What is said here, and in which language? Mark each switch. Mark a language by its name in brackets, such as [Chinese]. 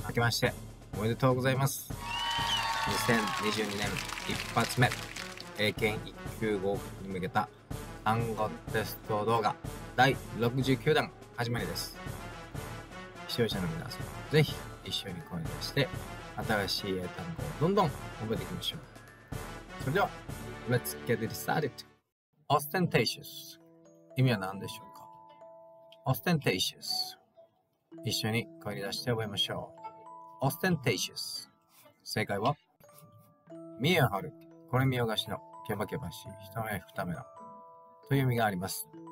[Japanese] けましておめでとうございます。2022年一発目英検一級合格に向けた単語テスト動画第69弾始まりです。視聴者の皆様ぜひ一緒に声出して新しい英単語をどんどん覚えていきましょう。 [English] それでは Let's get it started。 [Japanese] Ostentatious 意味は何でしょうか。Ostentatious 一緒に声に出して覚えましょう。 Ostentatious 正解は見え張る、これ見よがしの、けばけばし、一目ふためのという意味があります。